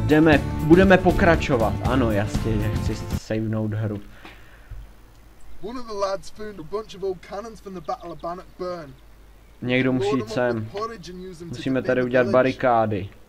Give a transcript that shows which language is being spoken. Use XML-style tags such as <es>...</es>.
<cs>Jdeme, budeme pokračovat. Ano, jasně, nechci savenout hru.</cs> <en>One of the lads found a bunch of old cannons from the Battle of Bannockburn.</en> <cs>Někdo musí sem. Musíme tady udělat barikády.</cs>